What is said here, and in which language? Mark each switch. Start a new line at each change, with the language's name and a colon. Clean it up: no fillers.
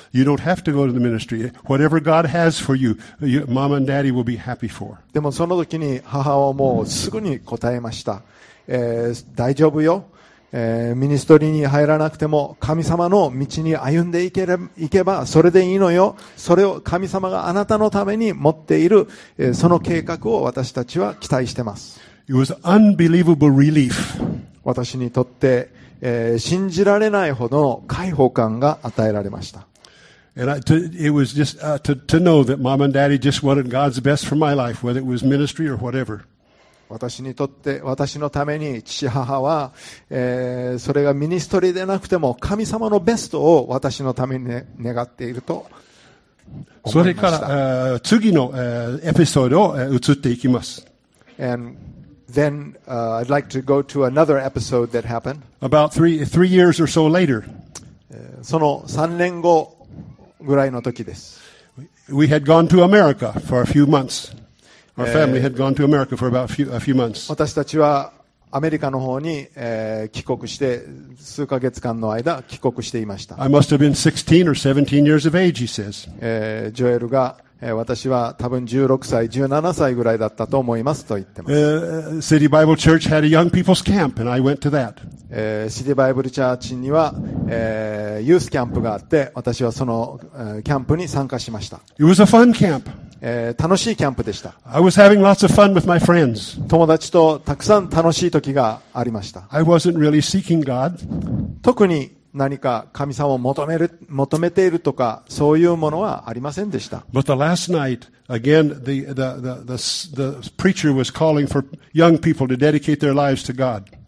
English: You don't have to go to the ministry. Whatever God has for you, Mama and Daddy will be happy for."
Japanese: でもその時に母はもうすぐに答えました。大丈夫よ。ミニストリーに入らなくても神様の道に歩んでいけばそれでいいのよ。それを神様があなたのために持っている、その計画を私たちは期待しています。
English: It was unbelievable relief.
Japanese: 私にとって、信じられないほどの解放感が与えられました。
English: And it was just to know that mom and daddy just wanted God's best for my life, whether it was ministry or whatever.
Japanese: 私にとって私のために父母は、それがミニストリーでなくても神様のベストを私のために、ね、願っていると思いました。それから次のエピソードを移っていきます。
English: And then, I'd like to go to another episode that happened about three years or so later.
Japanese: その3年後ぐらいの時です。
English: We had gone to America for a few months. Our family had gone to America for about a few months.
Japanese: 私たちはアメリカの方に、帰国して数ヶ月間の間帰国していました。
English: I must have been 16 or 17 years of age, he says.
Japanese: ジョエルが、私は多分16歳、17歳ぐらいだったと思いますと言ってます。
English: City Bible Church had a young people's camp and I went to that.
Japanese: City Bible Church には、ユースキャンプがあって私はその、キャンプに参加しました。
English: It was a fun camp.
Japanese: 楽しいキャンプでした。
English: I was having lots of fun with my friends.
Japanese: 友達とたくさん楽しい時がありました。
English: I wasn't really seeking God.
Japanese: 特に何か神様を求めているとかそういうものはありませんでした。
English: But the last night, again, the preacher was calling for young people to dedicate their lives to God.